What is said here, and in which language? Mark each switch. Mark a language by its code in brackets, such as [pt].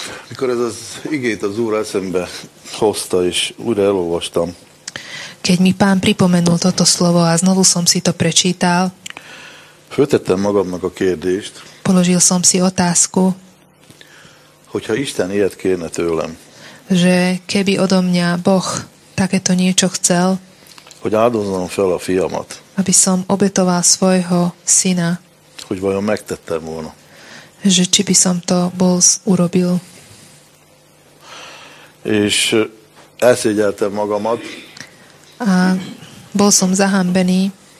[hu] Mikor ez az igét az Úr eszembe hozta, és újra elolvastam. [sk] Keď mi pán pripomenul toto slovo a znovu som si to prečítal, [hu] föltettem magamnak a kérdést, [sk] položil som si otázku, [hu] hogyha Isten ilyet kérne tőlem, [sk] že keby odo mňa Boh takéto niečo chcel, [hu] hogy áldoznom fel a fiamat, [sk] aby som obetoval svojho syna, [hu] hogy vajon megtettem volna, [sk] že či by som to bol urobil, [hu] és elszégyeltem magamat. [sk] A bol som zahambený.